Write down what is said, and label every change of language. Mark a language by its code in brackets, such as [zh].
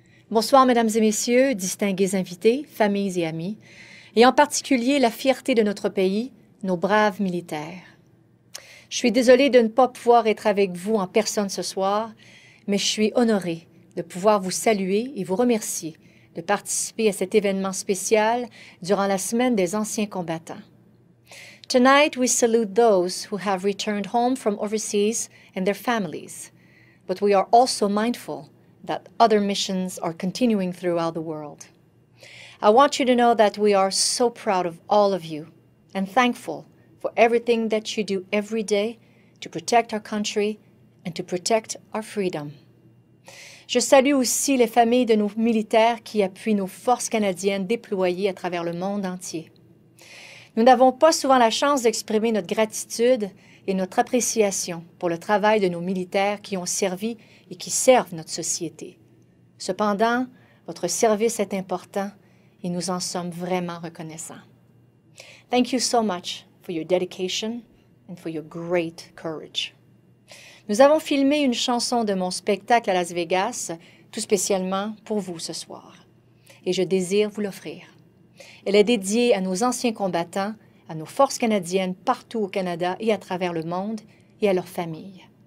[fr] Bonsoir, mesdames et messieurs, distingués invités, familles et amis, et en particulier la fierté de notre pays, nos braves militaires. Je suis désolée de ne pas pouvoir être avec vous en personne ce soir, mais je suis honorée de pouvoir vous saluer et vous remercier de participer à cet événement spécial durant la semaine des anciens combattants. [en] Tonight, we salute those who have returned home from overseas and their families, but we are also mindful that other missions are continuing throughout the world. I want you to know that we are so proud of all of you and thankful for everything that you do every day to protect our country and to protect our freedom. [fr] Je salue aussi les familles de nos militaires qui appuient nos forces canadiennes déployées à travers le monde entier. Nous n'avons pas souvent la chance d'exprimer notre gratitude et notre appréciation pour le travail de nos militaires qui ont servi et qui servent notre société. Cependant, votre service est important et nous en sommes vraiment reconnaissants. [en] Thank you so much for your dedication and for your great courage. [fr] Nous avons filmé une chanson de mon spectacle à Las Vegas, tout spécialement pour vous ce soir, et je désire vous l'offrir. Elle est dédiée à nos anciens combattants, à nos forces canadiennes partout au Canada et à travers le monde, et à leurs familles.